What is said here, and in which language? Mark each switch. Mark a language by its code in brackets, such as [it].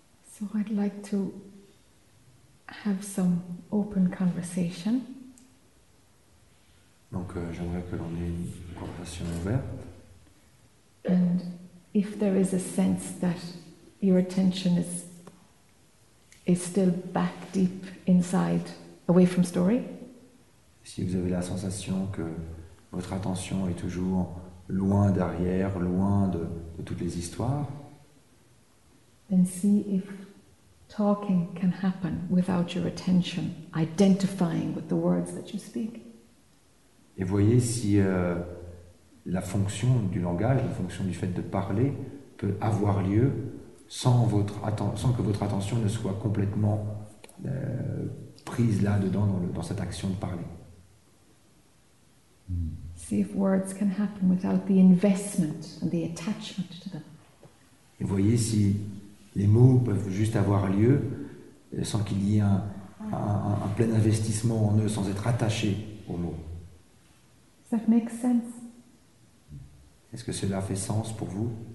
[en] So I'd like to have some open conversation. [fr] Donc j'aimerais que l'on ait une conversation ouverte. [en] And if there is a sense that your attention is still back deep inside, away from story. [fr] Si vous avez la sensation que votre attention est toujours loin derrière, loin de toutes les histoires. [en] Then see if talking can happen without your attention identifying with the words that you speak. [fr] Et voyez si la fonction du langage, la fonction du fait de parler, peut avoir lieu sans que votre attention ne soit complètement prise là-dedans, dans cette action de parler. [en] See if words can happen without the investment and the attachment to them. [fr] Et voyez si les mots peuvent juste avoir lieu sans qu'il y ait un plein investissement en eux, sans être attaché aux mots. [en] Does that make sense? [fr] Est-ce que cela fait sens pour vous?